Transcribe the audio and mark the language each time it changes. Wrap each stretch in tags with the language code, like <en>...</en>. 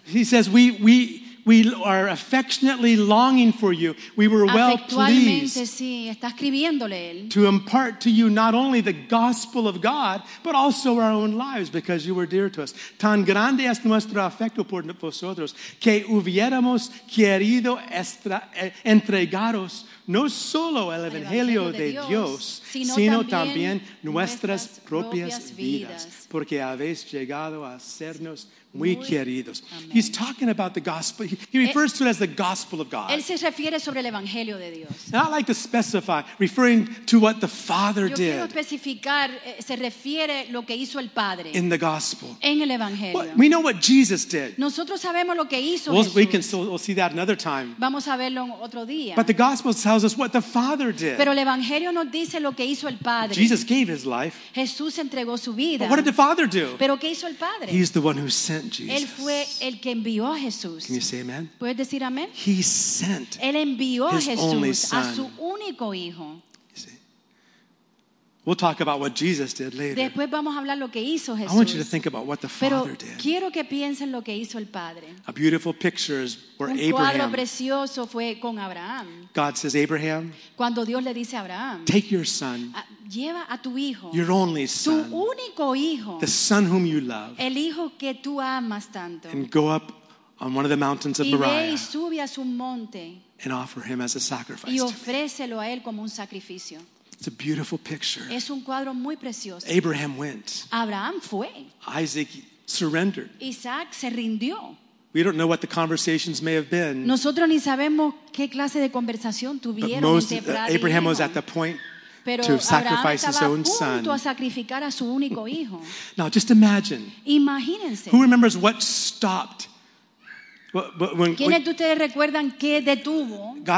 <en>He says we are affectionately longing for you. We were well pleased</en> <es>sí, está escribiéndole él.</es> <en>To impart to you not only the gospel of God, but also our own lives because you were dear to us.</en> <es>Tan grande es nuestro afecto por vosotros que hubiéramos querido entregaros no solo el evangelio de Dios, sino también nuestras propias vidas, porque habéis llegado a sernos muy queridos.</es> <en>Amen. He's talking about the gospel. He refers to it as the gospel of God.</en> <es>Él se refiere sobre el evangelio de Dios.</es> <en>And I like to specify, referring to what the Father</en> <es>yo</es> <en>did.</en> <es>Yo quiero especificar, se refiere lo que hizo el Padre.</es> <en>In the gospel.</en> <es>En el evangelio. Well,</es> <en>we know what Jesus did.</en> <es>Nosotros sabemos lo que hizo</es> <en>we'll,</en> <es>Jesús.</es> <en>We can still, we'll see that another time.</en> <es>Vamos a verlo otro día.</es> <en>But the gospel tells us what the Father did.</en> <es>Pero el evangelio nos dice lo que hizo el Padre.</es> <en>Jesus gave his life.</en> <es>Jesús entregó su vida.</es> <en>But what did the Father do?</en> <es>Pero ¿qué hizo el Padre?</es> <en>He's the one who sent.</en> <es>Él fue el que envió a Jesús.</es> <en>Can you say amen?</en> <es>¿Puedes decir amén?</es> <en>He sent</en> <es>él envió</es> <en>his</en> <es>Jesús</es> <en>only son.</en> <es>A su único hijo.</es> <en>We'll talk about what Jesus did later.</en> <es>Después vamos a hablar lo que hizo Jesús.</es> <en>I want you to think about what the</en> <es>pero</es> <en>Father did.</en> <es>Quiero que piensen lo que hizo el Padre.</es> <en>A beautiful picture is where Abraham.</en> <es>Un cuadro precioso fue con Abraham.</es> <en>God says, Abraham.</en> <es>Cuando Dios le dice a Abraham.</es> <en>Take your son.</en> <es>Lleva a tu hijo.</es> <en>Your only son.</en> <es>Tu único hijo.</es> <en>The son whom you love.</en> <es>El hijo que tú amas tanto.</es> <en>And go up on one of the mountains of Moriah.</en> <es>Y sube a su monte.</es> <en>And offer him as a sacrifice.</en> <es>Y ofrécelo a él como un sacrificio.</es> <en>It's a beautiful picture.</en> <es>Es un cuadro muy precioso.</es> <en>Abraham went.</en> <es>Abraham fue.</es> <en>Isaac surrendered.</en> <es>Isaac se rindió.</es> <en>We don't know what the conversations may have been.</en> <es>Nosotros ni sabemos qué clase de conversación tuvieron entre Abraham y Isaac.</es> <en>Abraham was at the point</en> <es>pero</es> <en>to sacrifice his own son.</en> <es>A sacrificar a su único hijo.</es> <en>Now just imagine.</en> <es>Imagínense.</es> <en>Who remembers what stopped?</en> <es>¿Quiénes de ustedes recuerdan qué detuvo?</es>